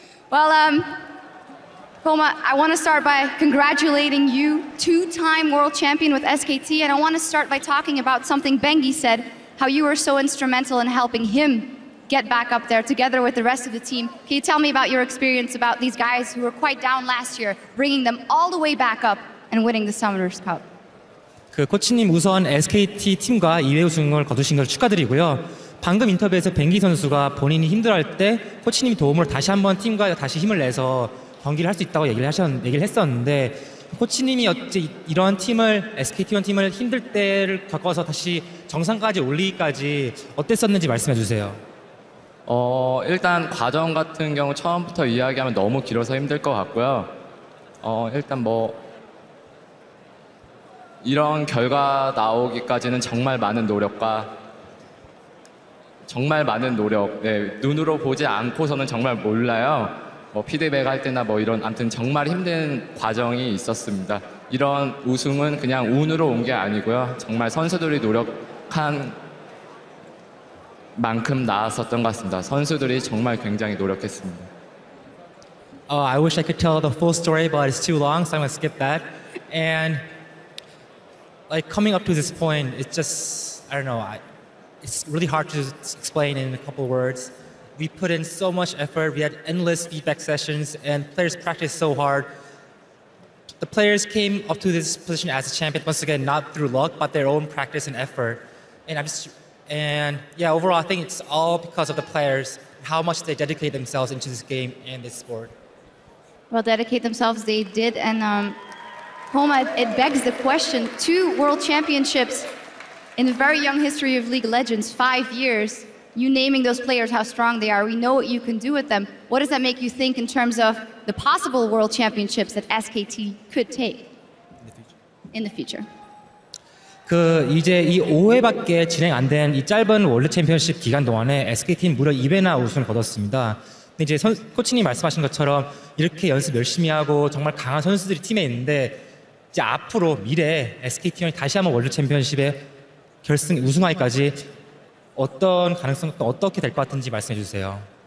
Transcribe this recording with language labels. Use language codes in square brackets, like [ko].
[en] Well, Koma, I want to start by congratulating you, 2-time world champion with SKT. And I want to start by talking about something Bengi said, how you were so instrumental in helping him get back up there together with the rest of the team. Can you tell me about your experience about these guys who were quite down last year, bringing them all the way back up and winning the Summoner's Cup? [ko] 그 코치님 우선 SKT 팀과 2회 우승을 거두신 걸 축하드리고요. 방금 인터뷰에서 뱅기 선수가 본인이 힘들어할 때 코치님이 도움을 다시 한번 팀과 다시 힘을 내서 경기를 할 수 있다고 얘기를 했었는데 코치님이 어째 이러한 팀을 SKT1 팀을 힘들 때를 겪어서 다시 정상까지 올리기까지 어땠었는지 말씀해 주세요. 일단 과정 같은 경우 처음부터 이야기하면 너무 길어서 힘들 것 같고요. 일단 뭐 이런 결과 나오기까지는 정말 많은 노력과 정말 많은 노력, 네, 눈으로 보지 않고서는 정말 몰라요. 뭐 피드백 할 때나 뭐 이런 아무튼 정말 힘든 과정이 있었습니다. 이런 우승은 그냥 운으로 온 게 아니고요. 정말 선수들이 노력한 만큼 나았었던 것 같습니다. 선수들이 정말 굉장히 노력했습니다. [en] I wish I could tell the full story, but it's too long, so I'm gonna skip that. And like coming up to this point, it's just, I don't know, it's really hard to explain in a couple words. We put in so much effort, we had endless feedback sessions, and players practiced so hard. The players came up to this position as a champion, once again, not through luck, but their own practice and effort. And overall, I think it's all because of the players, how much they dedicate themselves into this game and this sport. Well, dedicate themselves, they did, and Homa, it begs the question, 2 world championships in the very young history of League of Legends, 5 years, you naming those players how strong they are, we know what you can do with them. What does that make you think in terms of the possible world championships that SKT could take in the future? [ko] 그 이제 이 5회밖에 진행 안 된 이 짧은 월드 챔피언십 기간 동안에 SKT는 무려 2회나 우승을 거뒀습니다. 근데 이제 코치님 말씀하신 것처럼 이렇게 연습 열심히 하고 정말 강한 선수들이 팀에 있는데 이제 앞으로 미래에 SKT1이 다시 한번 월드 챔피언십에 결승 우승하기까지 어떤 가능성도 어떻게 될 것 같은지 말씀해 주세요.